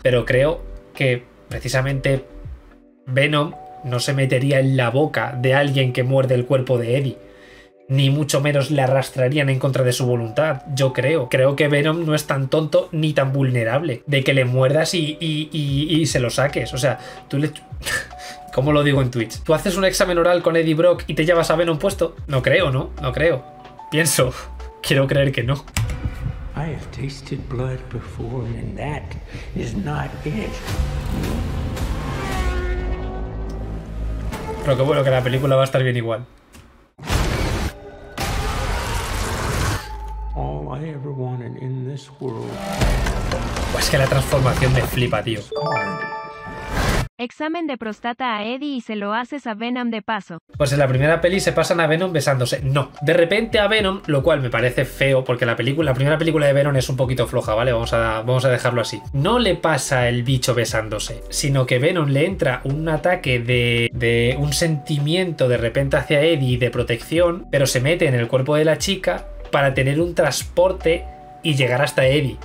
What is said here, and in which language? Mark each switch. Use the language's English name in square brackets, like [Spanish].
[Spanish] Pero creo que precisamente Venom no se metería en la boca de alguien que muerde el cuerpo de Eddie, ni mucho menos le arrastrarían en contra de su voluntad, yo creo. Creo que Venom no es tan tonto ni tan vulnerable de que le muerdas y se lo saques. O sea, tú le... ¿Cómo lo digo en Twitch? ¿Tú haces un examen oral con Eddie Brock y te llevas a Venom puesto? No creo, ¿no? No creo. Pienso. Quiero creer que no. [English] I have tasted blood before, and that is not it. [Spanish] Pero qué bueno que la película va a estar bien igual. [English] All I ever wanted in this world. [Spanish] Es que la transformación me flipa, tío. Examen de próstata a Eddie y se lo haces a Venom de paso. Pues en la primera peli se pasan a Venom besándose. No. De repente a Venom, lo cual me parece feo porque la primera película de Venom es un poquito floja, ¿vale? Vamos a dejarlo así. No le pasa el bicho besándose, sino que Venom le entra un ataque de un sentimiento de repente hacia Eddie de protección, pero se mete en el cuerpo de la chica para tener un transporte y llegar hasta Eddie.